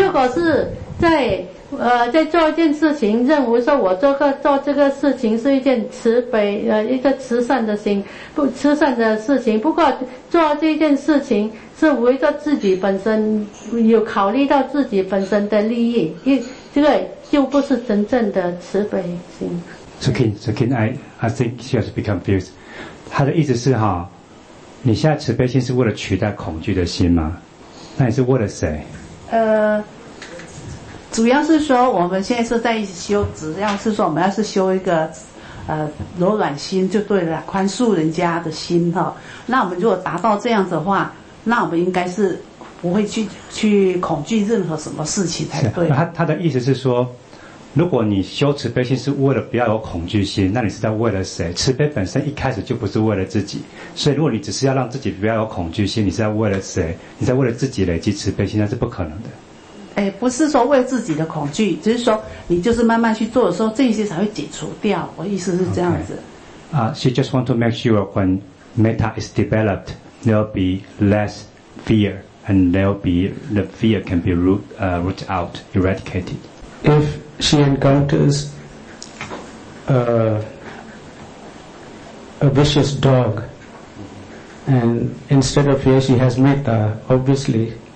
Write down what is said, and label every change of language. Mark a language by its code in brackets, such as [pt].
[zh] 如果是在在做一件事情，认为说我做这个事情是一件慈悲一个慈善的心，不慈善的事情，不过做这件事情是为着自己本身，有考虑到自己本身的利益，这个就不是真正的慈悲心。 [en] So Kin, I think she has become confused. [zh] 他的意思是哈，你现在慈悲心是为了取代恐惧的心吗？那你是为了谁？主要是说我们现在是在修，只要是说我们要是修一个柔软心就对了，宽恕人家的心哈。那我们如果达到这样的话，那我们应该是不会去恐惧任何什么事情才对。他的意思是说，如果你修慈悲心是为了不要有恐惧心，那你是在为了谁？慈悲本身一开始就不是为了自己，所以如果你只是要让自己不要有恐惧心，你是在为了谁？你在为了自己累积慈悲心，那是不可能的。哎，不是说为自己的恐惧，只是说你就是慢慢去做的时候，这些才会解除掉。我意思是这样子。 [en] She just want to make sure when metta is developed, there'll be less fear, and there'll be the fear can be root out, eradicated. If she encounters a vicious dog, and instead of fear, she has metta, obviously.